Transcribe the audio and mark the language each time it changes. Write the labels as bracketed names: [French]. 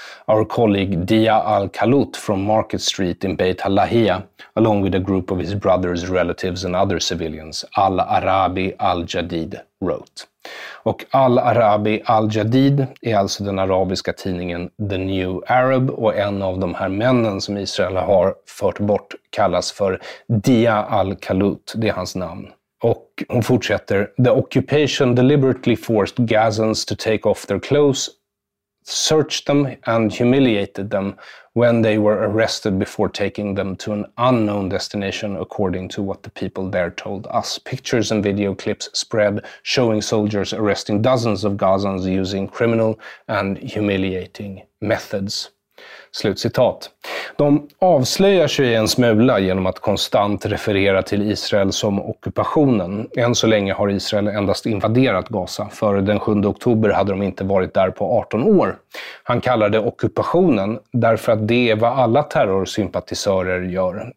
[English] Our colleague Dia al-Kalut from Market Street in Beit al-Lahia, along with a group of his brother's relatives and other civilians, al-Arabi al-Jadid, wrote." [Swedish] Och al-Arabi al-Jadid är alltså den arabiska tidningen The New Arab, och en av de här männen som Israel har fört bort kallas för Dia al-Kalut, det är hans namn. Och hon fortsätter, [English] "The occupation deliberately forced Gazans to take off their clothes, searched them and humiliated them when they were arrested before taking them to an unknown destination according to what the people there told us. Pictures and video clips spread showing soldiers arresting dozens of Gazans using criminal and humiliating methods." [Swedish] Slutcitat. De avslöjar sig en smula genom att konstant referera till Israel som ockupationen. Än så länge har Israel endast invaderat Gaza. Före den 7 oktober hade de inte varit där på 18 år. Han kallar det ockupationen därför att det är vad alla terrorsympatisörer gör.